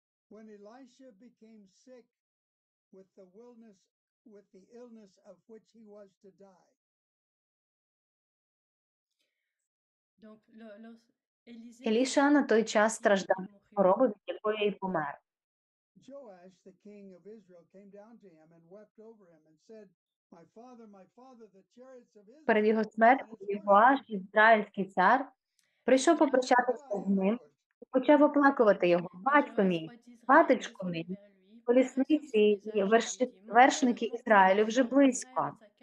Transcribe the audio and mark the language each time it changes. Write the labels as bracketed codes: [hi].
[en] When Elisha became sick with the illness of which he was to die. [fr] Donc [uk] Елішо на той час страждав від хвороби, від якої й помер. [en] Joash, the king of Israel, came down to him and wept over him and said, "My father, my father, the chariots of Israel." [uk] Перед його смертю Йоаш, ізраїльський цар, прийшов попрощатися з ним і почав оплакувати його: "Батько мій, батечко мій, колісниці і вершники Ізраїлю вже близько."